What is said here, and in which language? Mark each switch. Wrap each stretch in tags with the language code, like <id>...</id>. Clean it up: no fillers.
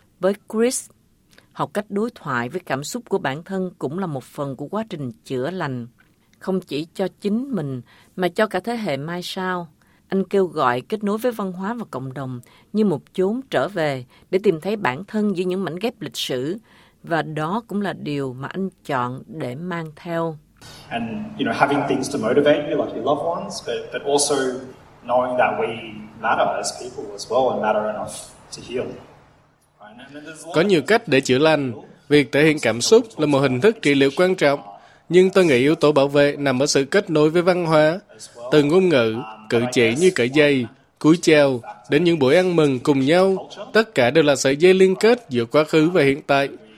<vi>Với Chris, học cách đối thoại với cảm xúc của bản thân cũng là một phần của quá trình chữa lành. không chỉ cho chính mình mà cho cả thế hệ mai sau. Anh kêu gọi kết nối với văn hóa và cộng đồng như một chốn trở về để tìm thấy bản thân giữa những mảnh ghép lịch sử, và đó cũng là điều mà anh chọn để mang theo.</vi> <en>And you know, having things to motivate you like your loved ones, but also knowing that we matter as people as well and matter enough to heal.</en> <vi>Có nhiều cách để chữa lành. Việc thể hiện cảm xúc là một hình thức trị liệu quan trọng, nhưng tôi nghĩ yếu tố bảo vệ nằm ở sự kết nối với văn hóa, từ ngôn ngữ, cử chỉ như cởi giày, cúi chào, đến những buổi ăn mừng cùng nhau, tất cả đều là sợi dây liên kết giữa quá khứ và hiện tại.</vi>